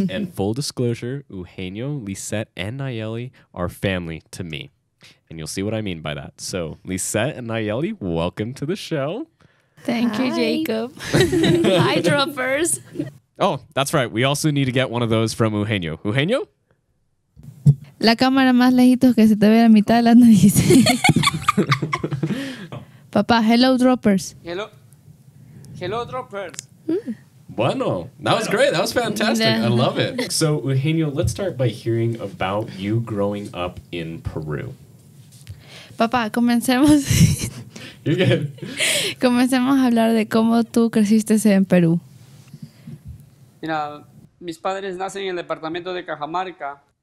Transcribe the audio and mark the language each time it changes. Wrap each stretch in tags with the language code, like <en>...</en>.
<en>And full disclosure, Eugenio, Lisette, and Nayeli are family to me. And you'll see what I mean by that. So, Lisette and Nayeli, welcome to the show. Thank you, Jacob. Hi, droppers. Oh, that's right. We also need to get one of those from Eugenio. Eugenio?</en> <es>La cámara más lejitos que se te ve la mitad de la nariz.</es> <en>Papá, hello, droppers. Hello. Hello, droppers. Bueno, that was great. That was fantastic. I love it. So, Eugenio, let's start by hearing about you growing up in Peru.</en> <es>Papá, comencemos.</es> <en>You're good.</en> <es>Comencemos a hablar de cómo tú creciste en Perú. Mira, mis padres nacen en el departamento de Cajamarca.</es>